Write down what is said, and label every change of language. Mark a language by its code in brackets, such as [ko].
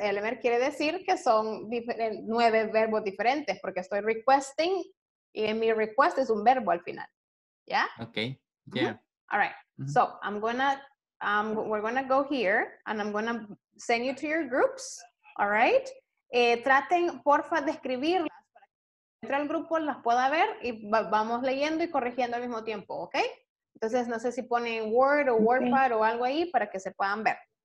[es] Elmer quiere decir que son nueve verbos diferentes porque estoy requesting. Y en mi request es un verbo al final. ¿Ya? [en] Okay. Yeah. Mm-hmm. All right. Mm-hmm. So, we're going to go here and I'm going to send you to your groups. All right? [es] Traten, porfa, de escribirlas para que entre al grupo las pueda ver y vamos leyendo y corrigiendo al mismo tiempo, ¿okay? Entonces, no sé si ponen Word o WordPad okay. o algo ahí para que se puedan ver.